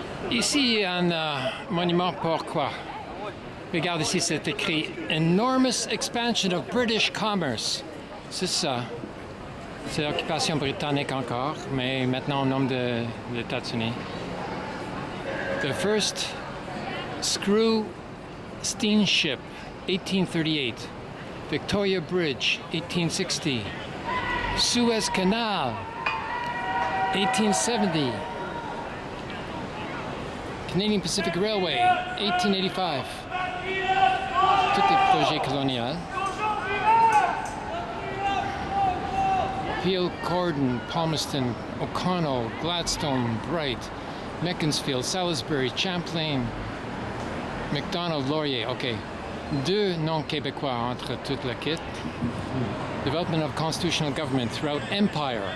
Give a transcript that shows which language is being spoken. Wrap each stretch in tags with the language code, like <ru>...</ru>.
<fr>Ici, il y a un monument pour quoi? Regarde ici, c'est écrit «</fr> <en>Enormous expansion of British commerce</en> <fr>». C'est ça. C'est l'occupation britannique encore, mais maintenant au nom de l'États-Unis.</fr> <en>The first screw steamship, 1838. Victoria Bridge, 1860. Suez Canal, 1870. Canadian Pacific Railway, 1885.</en> <fr>Tous les projets coloniaux. Peel, Corden, Palmerston, O'Connell, Gladstone, Bright, Meconsfield, Salisbury, Champlain, McDonald, Laurier. OK. Deux noms québécois entre toute la quête.</fr> <en>Development of constitutional government throughout empire.</en>